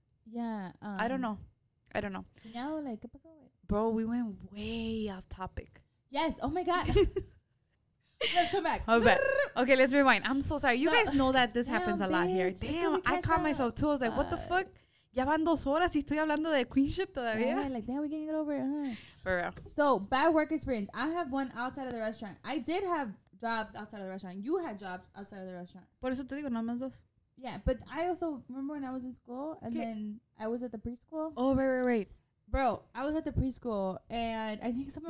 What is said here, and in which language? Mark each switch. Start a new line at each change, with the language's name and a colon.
English: Yeah. I don't know. Yeah, like,
Spanish: ¿qué pasó?
English: Bro, we went way off topic. Yes. Oh, my God. Let's come back. Okay, let's rewind. I'm so sorry. You guys know that this happens a lot bitch. Here. Damn, I caught myself too. I was like, what the fuck?
Spanish: Ya van dos horas y estoy hablando de queenship todavía.
English: Yeah, like, damn, we can get over it, huh? For real. So, bad work experience. I have one outside of the restaurant. I did have jobs outside of the restaurant. You had jobs outside of the restaurant.
Spanish: Por eso te digo, no más dos.
English: Yeah, but I also remember when I was in school and then I was at the preschool. Oh, right. Bro, I was at the preschool, and I think someone...